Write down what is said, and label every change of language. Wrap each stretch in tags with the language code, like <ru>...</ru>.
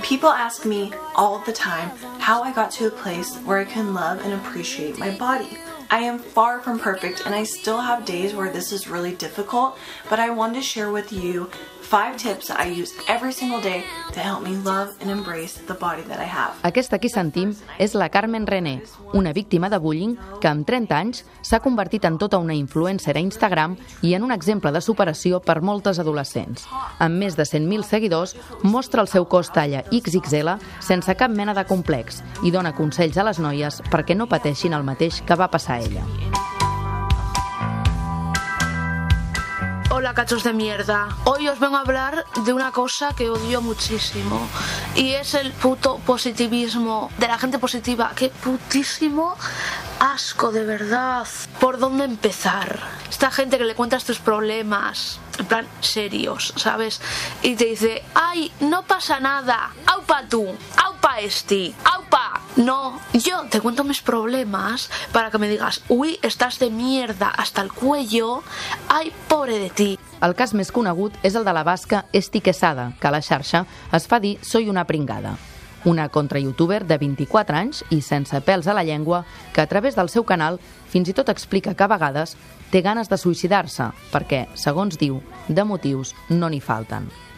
<en>people ask me all the time how I got to a place where I can love and appreciate my body. I am far from perfect and I still have days where this is really difficult, but I wanted to share with you 5 tips I use every single day to help me love and embrace the body that I have.</en> <ca>Aquesta que sentim és la Carmen René, una víctima de bullying que amb 30 anys s'ha convertit en tota una influencer a Instagram i en un exemple de superació per moltes adolescents. Amb més de 100.000 seguidors, mostra el seu cos talla XXL sense cap mena de complex i dona consells a les noies perquè no pateixin el mateix que va passar a ella.</ca> <es>Hola, cachos de mierda. Hoy os vengo a hablar de una cosa que odio muchísimo. Y es el puto positivismo de la gente positiva. ¡Qué putísimo asco, de verdad! ¿Por dónde empezar? Esta gente que le cuentas tus problemas, en plan serios, ¿sabes? Y te dice, ¡ay, no pasa nada! ¡Aupa tú! ¡Aupa este! ¡Aupa! No, yo te cuento mis problemas para que me digas, uy, estás de mierda hasta el cuello, ay, pobre de ti.</es> <ca>El cas més conegut és el de la basca Esti Quesada, que a la xarxa es fa dir Soy una pringada. Una contra-youtuber de 24 anys i sense pèls a la llengua, que a través del seu canal fins i tot explica que a vegades té ganes de suïcidar-se, perquè, segons diu, de motius no n'hi falten.</ca>